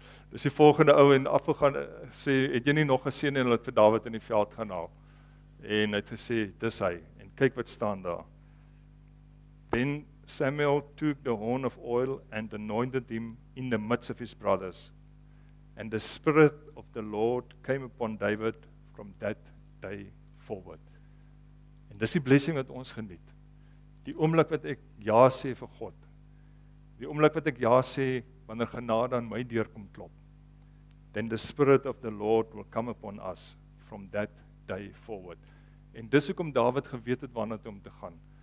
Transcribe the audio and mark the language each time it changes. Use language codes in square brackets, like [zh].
[af] Dis die volgende ou en afgegaan sê, het jy nie nog gesien en hulle het vir Dawid in die veld gaan haal. En hy het gesê, dis hy. En kyk wat staan daar. [en] Then Samuel took the horn of oil and anointed him in the midst of his brothers. And the Spirit of the Lord came upon David from that day forward. [af] En dis die blessing wat ons geniet. Die oomblik wat ek ja sê vir God. Die oomblik wat ek ja sê wanneer genade aan my deur kom klop. [en] Then the Spirit of the Lord will come upon us from that day forward. [af] En dis hoekom Dawid geweet het waarna toe om te gaan.